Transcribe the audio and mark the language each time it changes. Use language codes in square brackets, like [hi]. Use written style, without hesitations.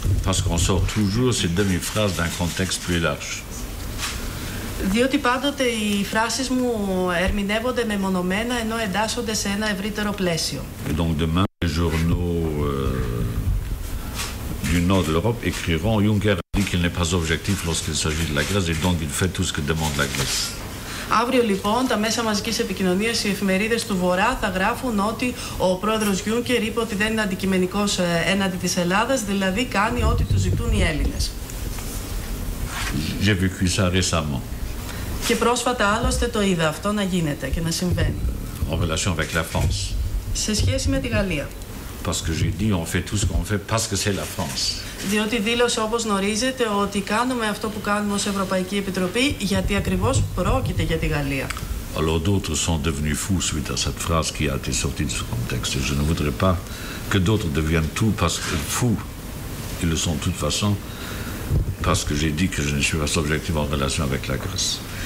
[fr] Parce qu'on sort toujours ces demi-phrases d'un contexte plus large. [el] Διότι πάντοτε οι φράσεις μου ερμηνεύονται μεμονωμένα ενώ εντάσσονται σε ένα ευρύτερο πλαίσιο. [fr] Et donc demain, les journaux du nord de l'Europe écriront Juncker a dit qu'il n'est pas objectif lorsqu'il s'agit de la Grèce et donc il fait tout ce que demande la Grèce. [el] Αύριο λοιπόν τα μέσα μαζικής επικοινωνίας, οι εφημερίδες του Βορρά θα γράφουν ότι ο πρόεδρος Γιούνκερ είπε ότι δεν είναι αντικειμενικός έναντι της Ελλάδας, δηλαδή κάνει ό,τι του ζητούν οι Έλληνες. [fr] J'ai vécu ça récemment. [el] Και πρόσφατα άλλωστε το είδα αυτό να γίνεται και να συμβαίνει. [fr] En relation avec la France. [el] Σε σχέση με τη Γαλλία. [fr] Parce que j'ai dit, on fait tout ce qu'on fait parce que c'est la France. [el] Διότι δήλωσε, όπως γνωρίζετε, ότι κάνουμε αυτό που κάνουμε ως Ευρωπαϊκή Επιτροπή γιατί ακριβώς πρόκειται για τη Γαλλία. [fr] Alors d'autres sont devenus fous suite à cette phrase qui a été sortie de ce contexte. Je ne voudrais pas que d'autres deviennent tout parce que fous. Ils le sont de toute façon parce que j'ai dit que je ne suis pas objectif en relation avec la Grèce.